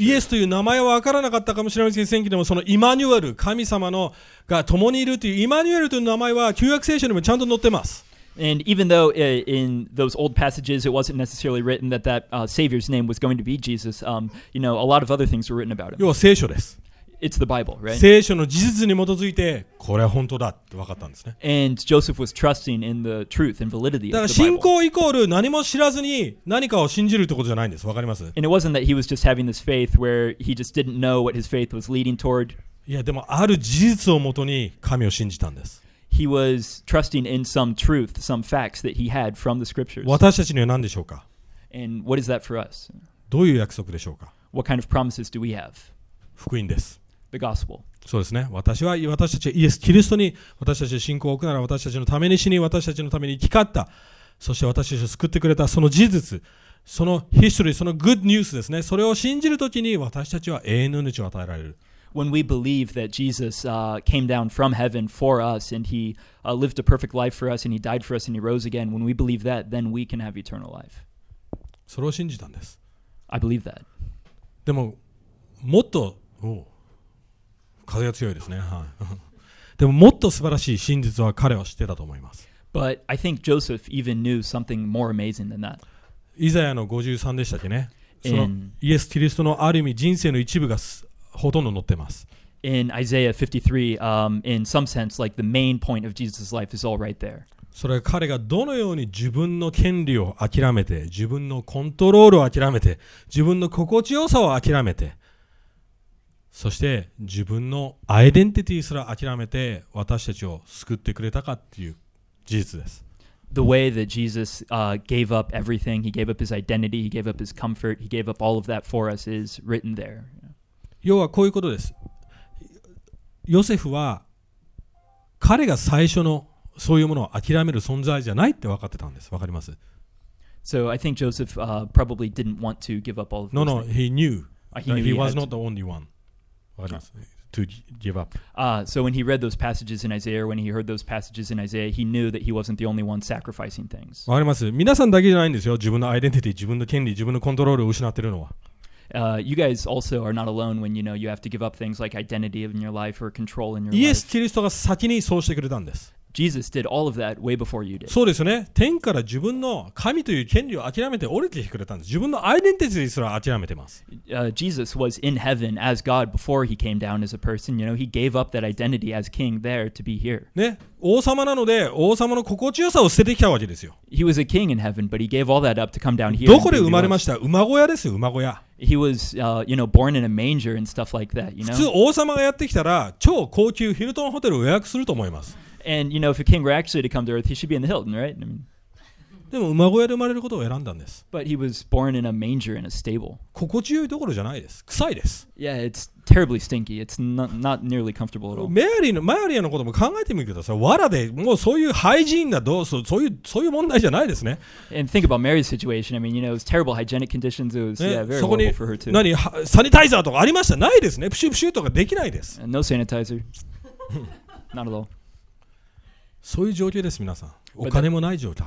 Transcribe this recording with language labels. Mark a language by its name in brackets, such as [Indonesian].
[Japanese] イエスという名前は分からなかったかもしれませんけれども、そのイマニュエル、神様のが共にいるというイマニュエルという名前は旧約聖書にもちゃんと載ってます。 [English] And even though in those old passages it wasn't necessarily written that that Savior's name was going to be Jesus, you know, a lot of other things were written about him. [Japanese] 要は聖書です。 [English] It's the Bible, right? [Japanese] 聖書の事実に基づいてこれは本当だって分かったんですね。 [English] And Joseph was trusting in the truth and validity of the Bible. [Japanese] だから信仰イコール何も知らずに何かを信じるってことじゃないんです。分かります？ [English] And it wasn't that he was just having this faith where he just didn't know what his faith was leading toward. [Japanese] いやでもある事実をもとに神を信じたんです。 [English] He was trusting in some truth, some facts that he had from the scriptures. [Japanese] 私たちには何でしょうか？ [English] And what is that for us? [Japanese] どういう約束でしょうか？ [English] What kind of promises do we have? [Japanese] 福音です。 [English] The gospel. [Japanese] そうですね。私は私たちイエス・キリストに私たちの信仰を置くなら私たちのために死に私たちのために生き返ったそして私たちを救ってくれたその事実そのヒストリーそのグッドニュースですね。それを信じるときに私たちは永遠の命を与えられる。 [English] When we believe that Jesus came down from heaven for us and he lived a perfect life for us and he died for us and he rose again, when we believe that, then we can have eternal life. [Japanese] それを信じたんです。 [English] I believe that. [Japanese] でも、もっと、風が強いですね、はい、でももっと素晴らしい真実は彼は知ってたと思います。 [English] But I think Joseph even knew something more amazing than that. [Japanese] イザヤの53でしたっけね。そのイエス・キリストのある意味人生の一部がほとんど載ってます。 [English] In Isaiah 53, in some sense, like the main point of Jesus' life is all right there. [Japanese] それは彼がどのように自分の権利を諦めて、自分のコントロールを諦めて、自分の心地よさを諦めて、そして自分のアイデンティティすら諦めて私たちを救ってくれたかっていう事実です。 [English] The way that Jesus gave up everything, he gave up his identity, he gave up his comfort, he gave up all of that for us is written there. [Japanese] 要はこういうことです。ヨセフは彼が最初のそういうものを諦める存在じゃないって分かってたんです。分かります。 [English] So I think Joseph probably didn't want to give up all of No, he knew that he was not the only one. To give up. So when he read those passages in Isaiah, when he heard those passages in Isaiah, he knew that he wasn't the only one sacrificing things. [Japanese] わかります。皆さんだけじゃないんですよ。自分のアイデンティティ、自分の権利、自分のコントロールを失ってるのは。 [English] You guys also are not alone when you know you have to give up things like identity in your life or control in your life. [Japanese] イエス・キリストが先にそうしてくれたんです。 [English] Jesus did all of that way before you did. [Japanese] そうですよね。天から自分の神という権利を諦めて降りてくれたんです。自分のアイデンティティすら諦めてます。 [English] Jesus was in heaven as God before he came down as a person. You know, he gave up that identity as king there to be here. [Japanese] ね、王様なので王様の心地よさを捨ててきたわけですよ。 [English] He was a king in heaven, but he gave all that up to come down here. [Japanese] どこで生まれました？馬小屋ですよ、馬小屋。 [English] He was, you know, born in a manger and stuff like that. You know. [Japanese] 普通王様がやってきたら超高級ヒルトンホテルを予約すると思います。 [English] And you know, if a king were actually to come to earth, he should be in the Hilton, right? I mean, [Japanese] でも馬小屋で生まれることを選んだんです。 [English] But he was born in a manger in a stable. [Japanese] 心地よいところじゃないです。臭いです。 [English] Yeah, it's terribly stinky. It's not nearly comfortable at all. [Japanese] マリアのことも考えてみてください。藁でもうそういうハイジーンだどうそういうそういう問題じゃないですね。 [English] And think about Mary's situation. I mean, you know, it was terrible hygienic conditions. It was very horrible for her too. [Japanese] 何サニタイザーとかありました？ないですね。プシュプシュとかできないです。 [English] No sanitizer. Not at all. [Japanese] そういう状況です皆さん。お金もない状態。